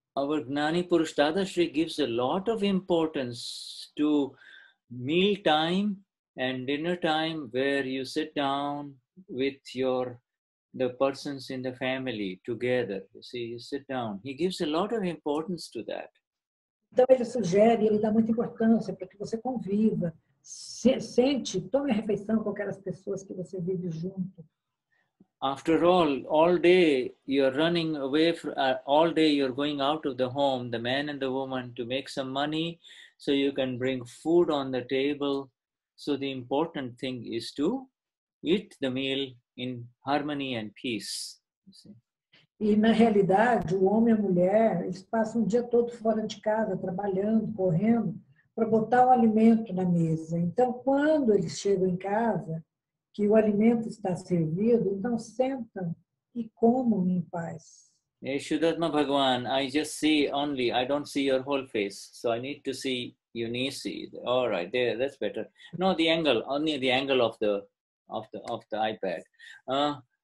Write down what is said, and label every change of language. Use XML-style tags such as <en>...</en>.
<en>Our Gnani Purush Dadashri gives a lot of importance to meal time and dinner time where you sit down with your the persons in the family together. You see, you sit down. He gives a lot of importance to that.</en> <pt>Então ele sugere, ele dá muita importância para que você conviva, sente, tome a refeição com aquelas pessoas que você vive junto.</pt> <en>After all day you're running away from, all day you're going out of the home, the man and the woman, to make some money so you can bring food on the table. So the important thing is to eat the meal in harmony and peace. You see?</en> <pt>E na realidade, o homem e a mulher, eles passam o dia todo fora de casa, trabalhando, correndo, para botar o alimento na mesa. Então, quando eles chegam em casa, que o alimento está servido, então sentam e comam em paz.</pt> <en>Hey, Shuddhatma Bhagwan, I just see only, I don't see your whole face, so I need to see Eunice. All right, there, that's better. No, the angle, only the angle of the iPad.</en>